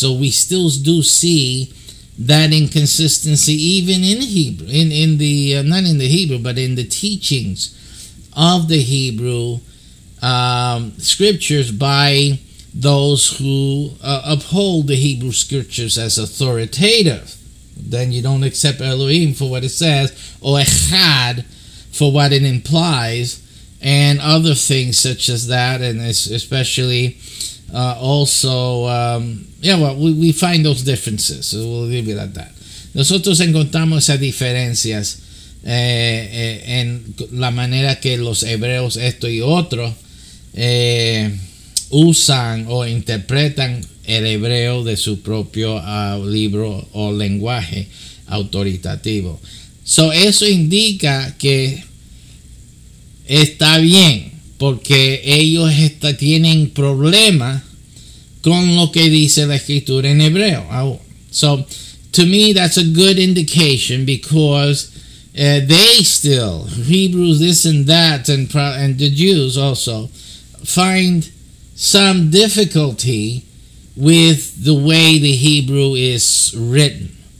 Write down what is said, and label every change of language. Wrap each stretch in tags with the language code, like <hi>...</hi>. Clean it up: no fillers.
<en>So we still do see that inconsistency even in Hebrew, not in the Hebrew, but in the teachings of the Hebrew scriptures by those who uphold the Hebrew scriptures as authoritative. Then you don't accept Elohim for what it says, or Echad for what it implies, and other things such as that, and especially we find those differences. So we'll leave it at that.</en> <es>Nosotros encontramos esas diferencias en la manera que los hebreos esto y otro usan o interpretan el hebreo de su propio libro o lenguaje autoritativo. So eso indica que está bien, porque ellos tienen problemas con lo que dice la escritura en hebreo.</es> <en>So, to me, that's a good indication, because they still, Hebrews this and that, and the Jews also, find some difficulty with the way the Hebrew is written.</en>